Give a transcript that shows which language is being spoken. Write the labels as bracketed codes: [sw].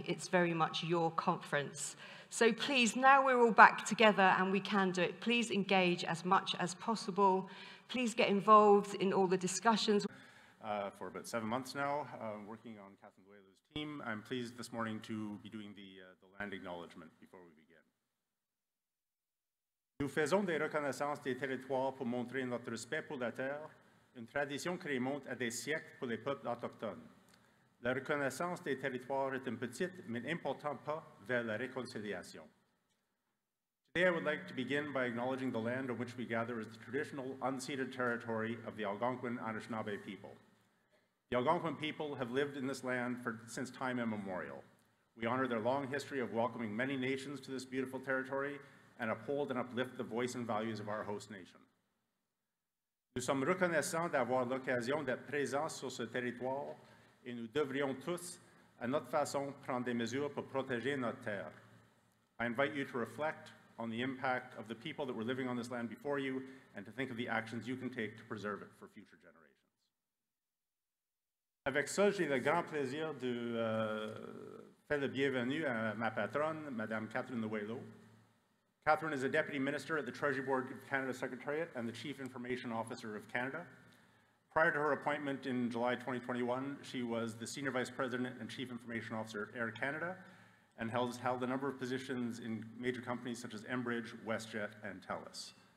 [en] It's very much your conference. So please, now we're all back together and we can do it, please engage as much as possible. Please get involved in all the discussions. For about 7 months now, working on Catherine Goyle's team, I'm pleased this morning to be doing the land acknowledgement before we begin. [fr] Nous faisons des reconnaissances des territoires pour montrer notre respect pour la terre, une tradition qui remonte à des siècles pour les peuples autochtones. La reconnaissance des territoires est un petit mais important pas vers la réconciliation. [en] Today I would like to begin by acknowledging the land on which we gather as the traditional unceded territory of the Algonquin Anishinaabe people. The Algonquin people have lived in this land since time immemorial. We honor their long history of welcoming many nations to this beautiful territory and uphold and uplift the voice and values of our host nation. [fr] Nous sommes reconnaissants d'avoir l'occasion d'être présents sur ce territoire et nous devrions tous, à notre façon, prendre des mesures pour protéger notre terre. [en] I invite you to reflect on the impact of the people that were living on this land before you and to think of the actions you can take to preserve it for future generations. [fr] Avec ça, j'ai le grand plaisir de faire le bienvenue à ma patronne, Madame Catherine Luelo. [en] Catherine is a Deputy Minister at the Treasury Board of Canada Secretariat and the Chief Information Officer of Canada. Prior to her appointment in July 2021, she was the Senior Vice President and Chief Information Officer at Air Canada, and has held a number of positions in major companies such as Enbridge, WestJet, and TELUS.